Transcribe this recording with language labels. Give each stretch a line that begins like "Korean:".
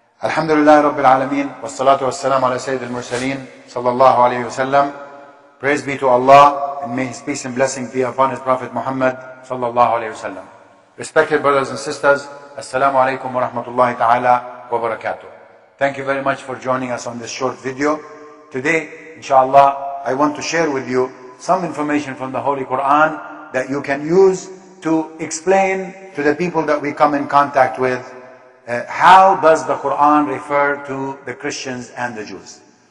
Arabic: الحمد لله رب العالمين والصلاة والسلام على سيد المرسلين صلى الله عليه وسلم.
English: Praise be to Allah and may His peace and blessing be upon His Prophet Muhammad
Arabic: صلى الله عليه وسلم.
English: Respected brothers and sisters,
Arabic: السلام عليكم ورحمة الله تعالى وبركاته.
English: Thank you very much for joining us on this short video. Today, inshallah, I want to share with you some information from the Holy Quran that you can use to explain to the people that we come in contact with how does the Quran refer to the Christians and the Jews.